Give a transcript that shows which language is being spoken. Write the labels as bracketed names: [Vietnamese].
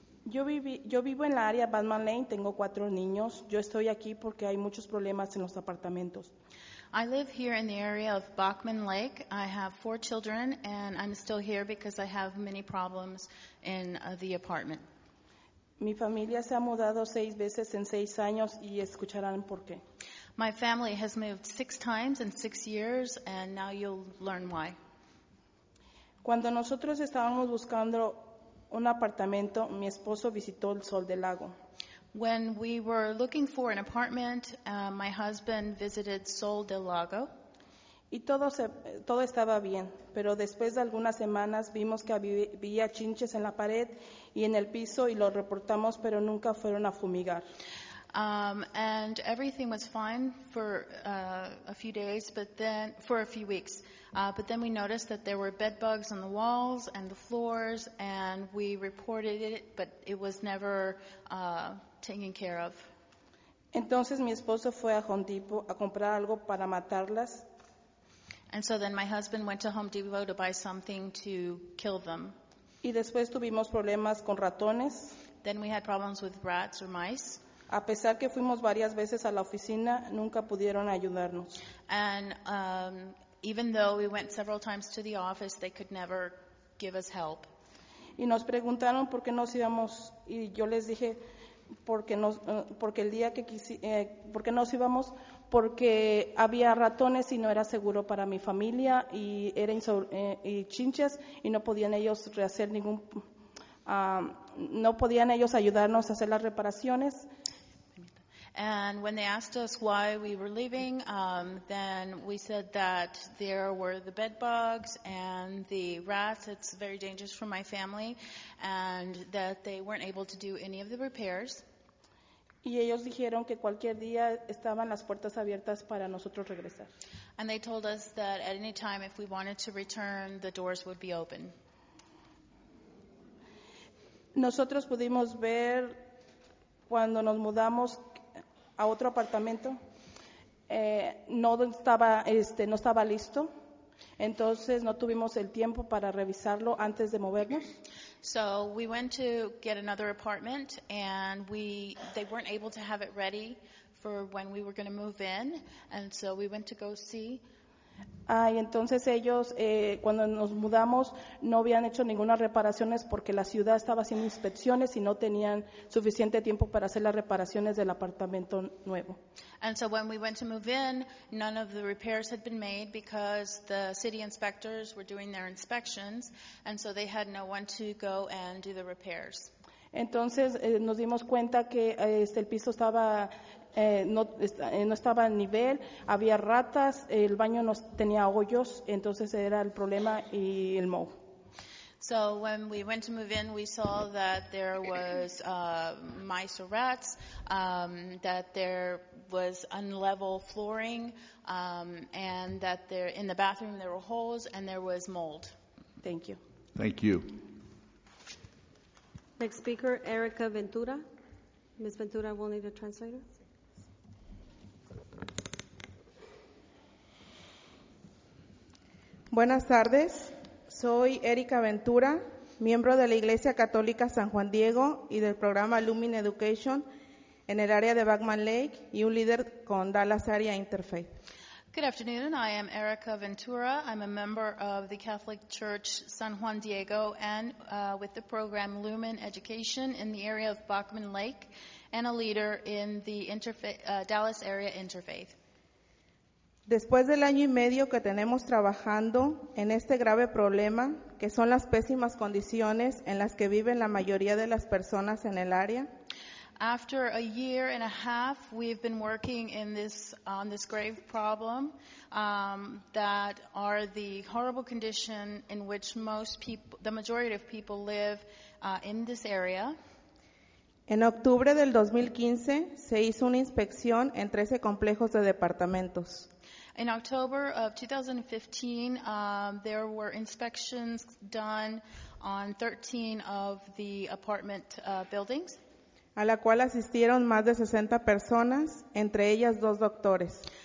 [Spanish] Yo vivo en la área Batman Lane, tengo 4 niños. Yo estoy aquí porque hay muchos problemas en los apartamentos. [English] I live here in the area of Bachman Lake. I have 4 children, and I'm still here because I have many problems in the apartment. [Spanish] Mi familia se ha mudado 6 veces en 6 años, y escucharán por qué. [English] My family has moved 6 times in 6 years, and now you'll learn why. [Spanish] Cuando nosotros estábamos buscando un apartamento, mi esposo visitó el Sol del Lago. [English] When we were looking for an apartment, my husband visited Sol del Lago. [Spanish] Y todo estaba bien, pero después de algunas semanas vimos que había chinches en la pared y en el piso y lo reportamos, pero nunca fueron a fumigar. [English] And everything was fine for a few days, but then for a few weeks. But then we noticed that there were bed bugs on the walls and the floors, and we reported it, but it was never taken care of. [Spanish] Entonces mi esposo fue a Home Depot a comprar algo para matarlas. [English] And so then my husband went to Home Depot to buy something to kill them. [Spanish] Y después tuvimos problemas con ratones. [English] Then we had problems with rats or mice. [Spanish] A pesar que fuimos varias veces a la oficina, nunca pudieron ayudarnos. [English] And even though we went several times to the office, they could never give us help. [Spanish] Y nos preguntaron por qué nos íbamos, y yo les dije porque el día que porque nos íbamos porque había ratones y no era seguro para mi familia y era y chinches y no podían ellos rehacer ningún no podían ellos ayudarnos a hacer las reparaciones. [English] And when they asked us why we were leaving, then we said that there were the bed bugs and the rats. It's very dangerous for my family, and that they weren't able to do any of the repairs. [Spanish] Y ellos dijeron que cualquier día estaban las puertas abiertas para nosotros regresar. [English] And they told us that at any time, if we wanted to return, the doors would be open. [Spanish] Nosotros pudimos ver cuando nos mudamos a otro apartamento, no estaba listo, entonces no tuvimos el tiempo para revisarlo antes de movernos. [English] So we went to get another apartment and they weren't able to have it ready for when we were going to move in, and so we went to go see. [Spanish] Y entonces ellos, cuando nos mudamos, no habían hecho ninguna reparaciones porque la ciudad estaba haciendo inspecciones y no tenían suficiente tiempo para hacer las reparaciones del apartamento nuevo. [English] And so when we went to move in, none of the repairs had been made because the city inspectors were doing their inspections, and so they had no one to go and do the repairs. [Spanish] Entonces nos dimos cuenta que el piso estaba no estaba a nivel, había ratas, el baño no tenía hoyos, entonces era el problema y el moho. [English] So when we went to move in, we saw that there was mice or rats, that there was unlevel flooring, and that there in the bathroom there were holes and there was mold. Thank you. Thank you. Next speaker, Erica Ventura. Ms. Ventura, we'll need a translator. [Spanish] Buenas tardes. Soy Erika Ventura, miembro de la Iglesia Católica San Juan Diego y del programa Lumen Education en el área de Backman Lake y un líder con Dallas Area Interfaith. [English] Good afternoon. I am Erica Ventura. I'm a member of the Catholic Church San Juan Diego and with the program Lumen Education in the area of Backman Lake and a leader in the Dallas Area Interfaith. [Spanish] Después del año y medio que tenemos trabajando en este grave problema, que son las pésimas condiciones en las que viven la mayoría de las personas en el área. [English] After a year and a half, we've been working on this grave problem that are the horrible condition in which the majority of people live in this area. [Spanish] En octubre del 2015 se hizo una inspección en 13 complejos de departamentos. [English] In October of 2015, there were inspections done on 13 of the apartment buildings. [Spanish] A la cual asistieron más de 60 personas, entre ellas dos doctores.